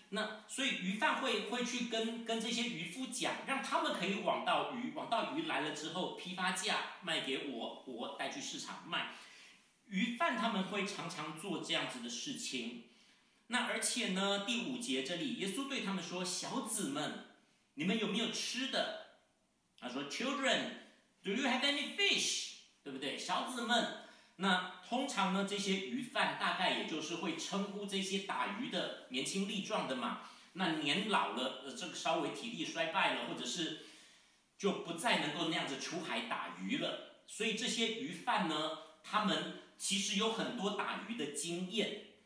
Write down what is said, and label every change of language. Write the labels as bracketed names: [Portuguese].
[Chinese] 那所以鱼贩会去跟这些渔夫讲，让他们可以网到鱼，网到鱼来了之后批发价卖给我，我带去市场卖。鱼贩他们会常常做这样子的事情。那而且呢，第五节这里耶稣对他们说，小子们，你们有没有吃的？他说 [English] Children, do you have any fish? [Chinese] 对不对？小子们。那通常呢，这些鱼贩大概也就是会称呼这些打鱼的年轻力壮的嘛，那年老了这个稍微体力衰败了，或者是就不再能够那样子出海打鱼了，所以这些鱼贩呢，他们其实有很多打鱼的经验。